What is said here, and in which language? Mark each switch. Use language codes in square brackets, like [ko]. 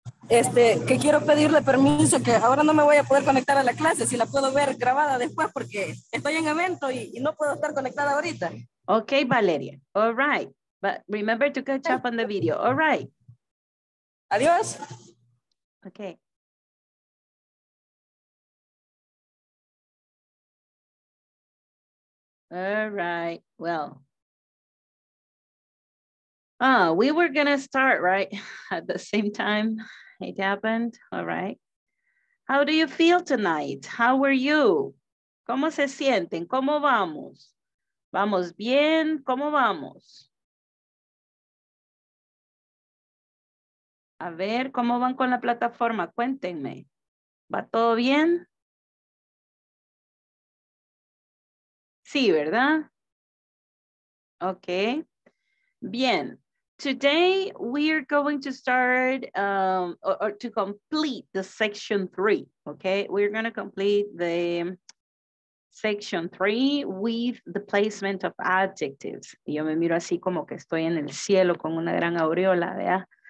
[es] Que quiero pedirle permiso que ahora no me voy a poder conectar a la clase, si la puedo ver grabada después porque estoy en evento y no puedo estar conectada ahorita. [en] Okay, Valeria. All right. But remember to catch up on the video. All right. [es] Adiós. [en] Okay. All right. Well, we were going to start, right? At the same time. It happened. All right. How do you feel tonight? How are you? [es] ¿Cómo se sienten? ¿Cómo vamos? ¿Vamos bien? ¿Cómo vamos? A ver, ¿cómo van con la plataforma? Cuéntenme. ¿Va todo bien? Sí, ¿verdad? Okay. Bien. [en] Today, we are going to start to complete the section three, okay? We're gonna complete the section three with the placement of adjectives. [es] Y yo me miro así como que estoy en el cielo con una gran aureola, ¿verdad?